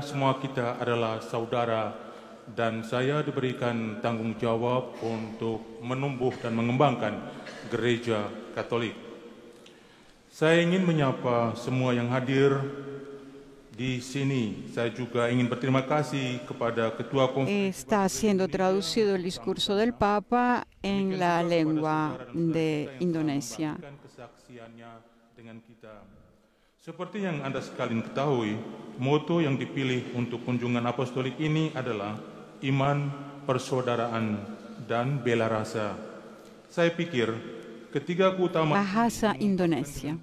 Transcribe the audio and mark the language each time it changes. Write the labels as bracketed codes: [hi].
[id] Semua kita adalah saudara. Dan saya diberikan tanggung jawab untuk menumbuh dan mengembangkan gereja Katolik. Saya ingin menyapa semua yang hadir di sini. Saya juga ingin berterima kasih kepada Ketua Konferensi. [es] Está siendo traducido el discurso del Papa en la lengua de Indonesia. [id] Kesaksiannya dengan kita. Seperti yang Anda sekalian ketahui, moto yang dipilih untuk kunjungan apostolik ini adalah iman, persaudaraan, dan bela rasa. Saya pikir ketiga keutamaan bahasa Indonesia